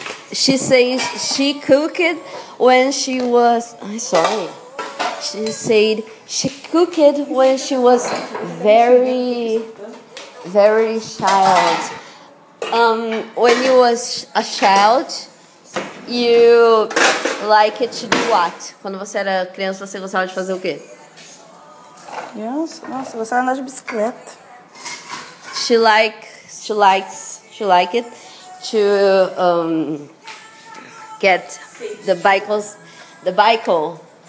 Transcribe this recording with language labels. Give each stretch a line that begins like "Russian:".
English: She says she cooked when she was, I'm sorry, she said she cooked when she was very, very child. When you was a child, you like it to do what?
Portuguese: Quando você era criança, você gostava de fazer o quê? Nossa, eu gostava de andar de bicicleta.
English: She likes it to get the bicycles, the bicycle.